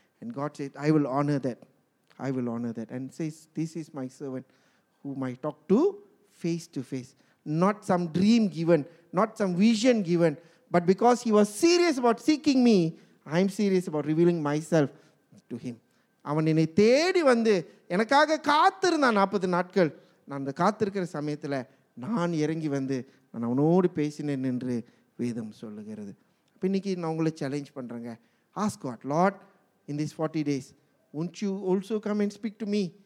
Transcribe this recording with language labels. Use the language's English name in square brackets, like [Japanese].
[English] And God said, I will honor that. I will honor that. And says, this is my servant whom I talk to face to face. Not some dream given, not some vision given, but because he was serious about seeking me, I'm serious about revealing myself to him. [Tamil] அவன் என்னை தேடி வந்து எனக்காக காத்திருந்தான் 40 நாட்கள். நான் அந்த காத்திருக்கிற சமயத்தில் நான் இறங்கி வந்து நான் அவனோடு பேசினேன் என்று வேதம் சொல்லுகிறது. அப்போ இன்னைக்கு நான் உங்களை சேலஞ்ச் பண்ணுறேங்க. [English] Ask God, Lord, in these 40 days, won't you also come and speak to me?